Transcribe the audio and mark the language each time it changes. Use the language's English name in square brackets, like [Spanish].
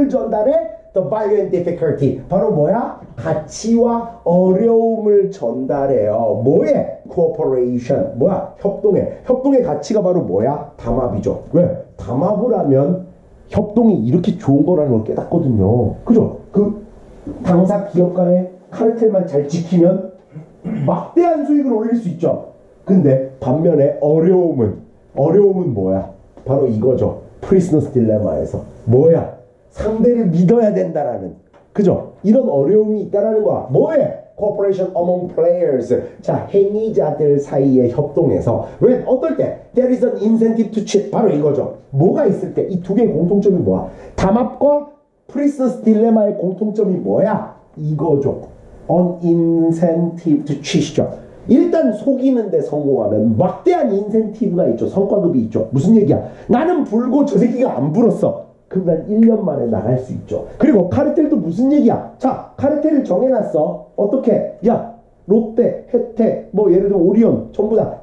[Korean] 전달해? [English] The value and difficulty. [Korean] 바로 뭐야? 가치와 어려움을 전달해요. 뭐에? Cooperation. 뭐야? 협동에. 협동의 가치가 바로 뭐야? 담합이죠. 왜? 담합을 하면 협동이 이렇게 좋은 거라는 걸 깨닫거든요. 그죠? 그 당사 기업 간의 카르텔만 잘 지키면 막대한 수익을 올릴 수 있죠. 근데 반면에 어려움은 뭐야? 바로 이거죠. 프리스너스 딜레마에서 뭐야? 상대를 믿어야 된다라는, 그죠? 이런 어려움이 있다라는 거야. 뭐해? [English] Cooperation among players. [Korean] 자, 행위자들 사이의 협동에서. 왜? 어떨 때? [English] There is an incentive to cheat. [Korean] 바로 이거죠. 뭐가 있을 때? 이두 개의 공통점이 뭐야? 담합과 프리스너스 딜레마의 공통점이 뭐야? 이거죠. [English] An incentive to cheat이죠. [Korean] 일단 속이는데 성공하면 막대한 인센티브가 있죠. 성과급이 있죠. 무슨 얘기야? 나는 불고 저 새끼가 안 불었어. 그럼 난 1년 만에 나갈 수 있죠. 그리고 카르텔도 무슨 얘기야? 자, 카르텔을 정해놨어. 어떻게? 야, 롯데, 혜택, 뭐 예를 들어 오리온 전부 다.